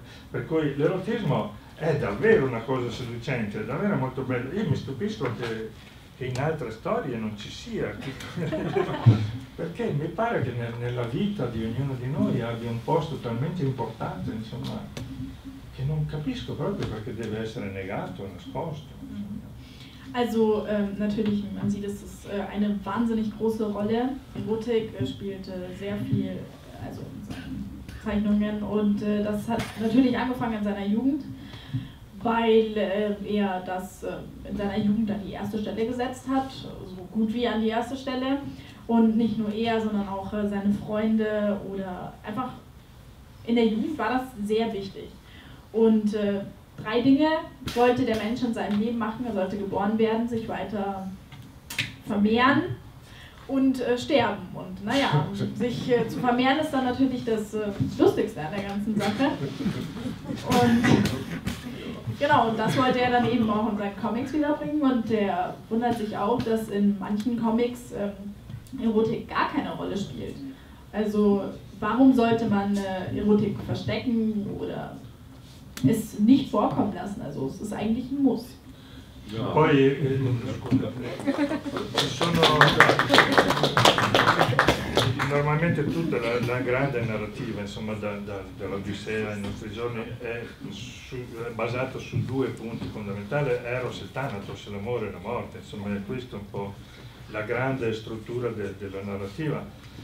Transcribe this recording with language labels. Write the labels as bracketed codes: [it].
[it] Per cui l'erotismo è davvero una cosa seducente, è davvero molto bello. Io mi stupisco che in altre storie non ci sia, perché mi pare che nella vita di ognuno di noi abbia un posto talmente importante, insomma, che non capisco proprio perché deve essere negato, nascosto. [de] Also natürlich, man sieht, es ist eine wahnsinnig große Rolle. Erotik spielt sehr viel, also in seinen Zeichnungen. Und das hat natürlich angefangen in seiner Jugend, weil er das in seiner Jugend an die erste Stelle gesetzt hat, so gut wie an die erste Stelle. Und nicht nur er, sondern auch seine Freunde oder einfach in der Jugend war das sehr wichtig. Und drei Dinge wollte der Mensch in seinem Leben machen. Er sollte geboren werden, sich weiter vermehren und sterben. Und naja, sich zu vermehren ist dann natürlich das Lustigste an der ganzen Sache. Und genau, und das wollte er dann eben auch in seinen Comics wiederbringen. Und er wundert sich auch, dass in manchen Comics Erotik gar keine Rolle spielt. Also warum sollte man Erotik verstecken oder es nicht vorkommen lassen, also es ist eigentlich ein Muss. Ja. [it] Poi sono normalmente tutta la grande narrativa, insomma, dall'Odissea ai nostri giorni è basata su due punti fondamentali: Eros e Thanatos, l'amore e la morte, insomma, è questo un po' la grande struttura della narrativa.